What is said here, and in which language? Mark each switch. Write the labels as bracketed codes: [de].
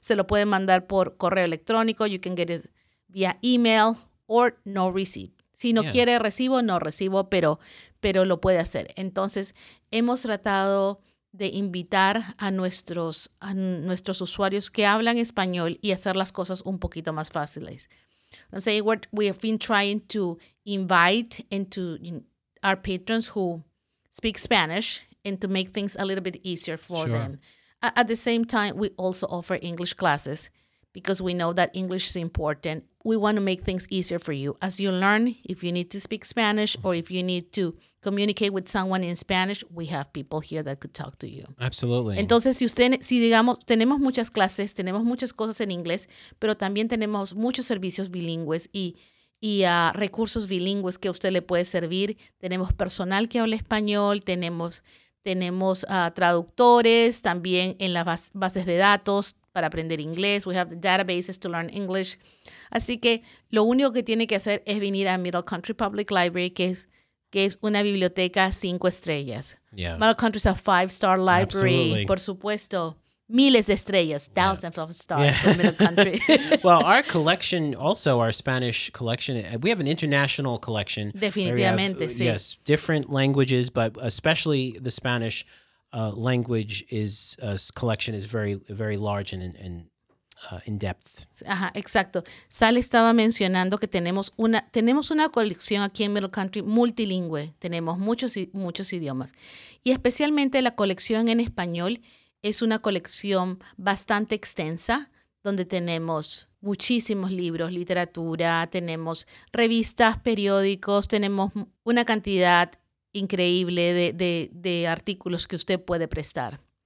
[es] se lo pueden mandar por correo electrónico, [en] you can get it via email, or no receipt. [es] Si no quiere recibo, no recibo, pero lo puede hacer. Entonces, hemos tratado de invitar a nuestros usuarios que hablan español y hacer las cosas un poquito más fáciles. [en] I'm saying we have been trying to invite into our patrons who speak Spanish and to make things a little bit easier for them. At the same time, we also offer English classes because we know that English is important. We want to make things easier for you. As you learn, if you need to speak Spanish or if you need to communicate with someone in Spanish, we have people here that could talk to you. Absolutely. [es] Entonces, si digamos, tenemos muchas clases, tenemos muchas cosas en inglés, pero también tenemos muchos servicios bilingües y recursos bilingües que a usted le puede servir. Tenemos personal que habla español, tenemos traductores también en las bases de datos, para aprender inglés. [en] We have the databases to learn English. [es] Así que lo único que tiene que hacer es venir a Middle Country Public Library, que es una biblioteca 5 estrellas. [en] Yeah. Middle Country is a 5-star library. Absolutely. [es] Por supuesto. Miles de estrellas, [en] thousands of stars from Middle Country. Well, our collection, also our Spanish collection, we have an international collection. [es] Definitivamente, sí. [en] Yes, different languages, but especially the Spanish language is collection is very, very large and in depth. [es] Ajá, exacto. Sally estaba mencionando que tenemos una colección aquí en Middle Country multilingüe. Tenemos muchos idiomas. Y especialmente la colección en español es una colección bastante extensa, donde tenemos muchísimos libros, literatura, tenemos revistas, periódicos, tenemos una cantidad increíble de artículos que usted puede prestar.